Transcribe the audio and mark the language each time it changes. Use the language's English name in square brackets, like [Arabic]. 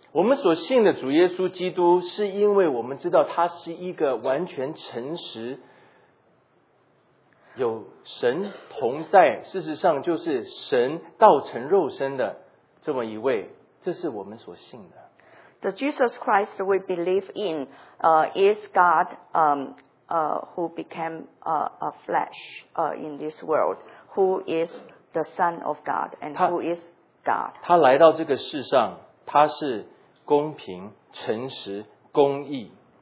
[Chinese] 我们所信的主耶稣基督是因为我们知道他是一个完全诚实，有神同在，事实上就是神道成肉身的这么一位，这是我们所信的。 [English] The Jesus Christ we believe in is God who became a flesh in this world, who is the Son of God and who is God. [Chinese] 他来到这个世上，他是公平、诚实、公义。